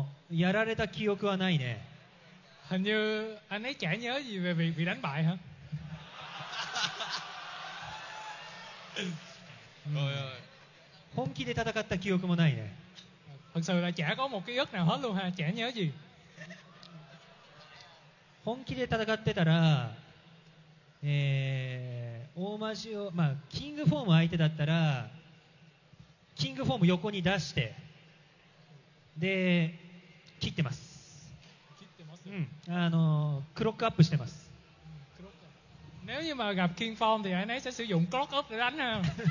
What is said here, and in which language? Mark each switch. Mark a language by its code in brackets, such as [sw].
[ja] やられた記憶はないね。ハニューアネキャニアイビビランバイハン。本気で戦った記憶もないね。 [vi] Thật sự là chả có một ký ức nào hết luôn ha, chả nhớ gì. [ja] 本気で戦ってたら、オーマジオ、まあキングフォーム相手だったら、キングフォーム横に出して、で切ってます。切ってます。うん、クロックアップしてます。 [vi] Nếu như mà gặp King Form thì anh ấy sẽ sử dụng clock up để đánh ha.